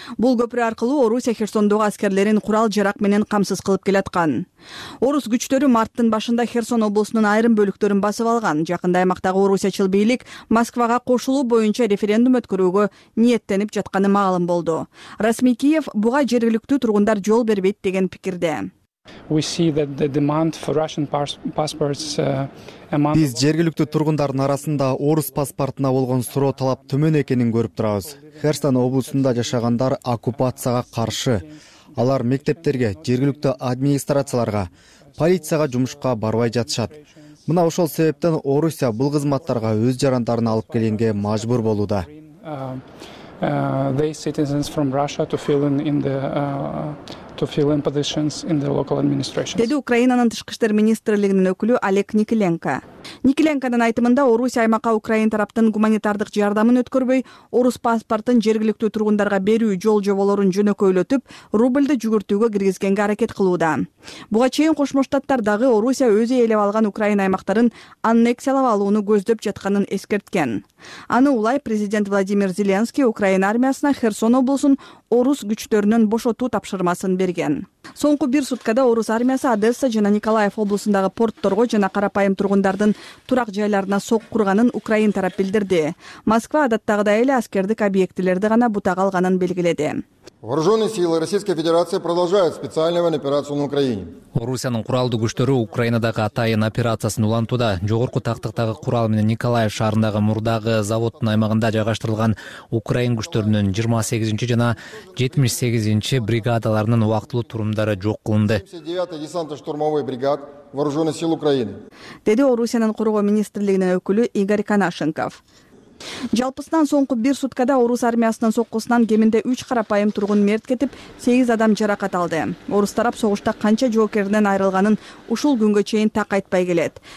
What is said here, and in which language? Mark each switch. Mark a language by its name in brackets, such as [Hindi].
[Kyrgyz] Бул көпүрө аркылуу Орусия Херсондогу аскерлерин курал жарак менен камсыз кылып келаткан. Орус күчтөрү марттын башында Херсон облусунун айрым бөлүктөрүн басып алган. Жакында аймактагы орусиячыл бийлик Москвага кошулуу боюнча референдум өткөрүүгө ниеттенип жатканы маалым болду. Расмий Киев буга жергиликтүү тургундар жол бербейт деген пикирде. [English] We see that the demand for Russian passports among [Kyrgyz] Биз жергиликтүү тургундардын арасында орус паспортуна болгон суроо талап төмөн экенин көрүп турабыз. Херсон облусунда жашагандар оккупацияга каршы. Алар мектептерге, жергиликтүү администрацияларга, полицияга жумушка барбай жатышат. Мына ошол себептен Орусия бул кызматтарга өз жарандарын алып келгенге мажбур болууда. [English] They citizens from Russia to fill in the to fill in positions in the local administrations. [Kyrgyz] Деди Украинанын тышкы иштер министрлигинин өкүлү Олег Никеленко. Никеленконун айтымында Орусия аймакка Украин тараптын гуманитардык жардамын өткөрбөй, орус паспортун жергиликтүү тургундарга берүү жол жоболорун жөнөкөйлөтүп, рубльды жүгүртүүгө киргизгенге аракет кылууда. Буга чейин Кошмо Штаттар дагы Орусия өзү ээлеп алган Украин аймактарын аннексиялап алууну көздөп жатканын эскерткен. Аны улай президент Владимир Зеленский Украин армиясына Херсон облусун орус күчтөрүнөн бошотуу тапшырмасын берген. Соңку бир суткада орус армиясы Одесса жана Николаев облусундагы портторго жана карапайым тургундардын турак жайларына сок курганын Украин тарап билдирди. Москва адаттагыдай эле аскердик объектилерди гана бутага алганын белгиледи. [Russian] Вооруженные силы Российской Федерации продолжают специальную операцию на Украине. [Kyrgyz] Орусиянын куралдуу күчтөрү Украинадагы атайын операциясын улантууда жогорку тактыктагы курал менен Николаев шаарындагы мурдагы заводдун аймагында жайгаштырылган украин күчтөрүнүн 28-чи жана 78-чи бригадаларынын убактылуу турумдары жок кылынды. [Russian] 79-й десантный штурмовой бригад вооруженных сил Украины. [Kyrgyz] Деди Орусиянын коргоо министрлигинин өкүлү Игорь Канашенков. Жалпысынан соңку бир суткада орус армиясынын соккусунан кеминде 3 карапайым тургун мерт кетип, 8 адам жаракат алды. Орус тарап согушта канча жоокеринен айрылганын ушул күнгө чейин так айтпай келет.